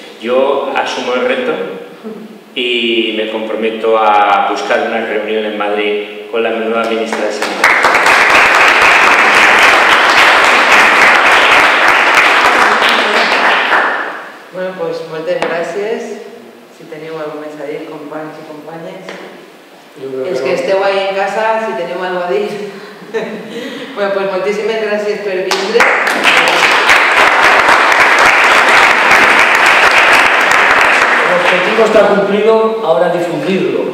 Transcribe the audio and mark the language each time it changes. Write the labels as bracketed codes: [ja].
[es] Yo asumo el reto y me comprometo a buscar una reunión en Madrid con la nueva ministra de Sanidad. Bueno, pues muchas gracias. [ca] Si teniu algo més a dir, companys i companyes. Els que esteu ahí en casa, si teniu algo a dir. [es] Bueno, pues [ca] moltíssimes gràcies per vindre. [es] El objetivo está cumplido, ahora difundirlo.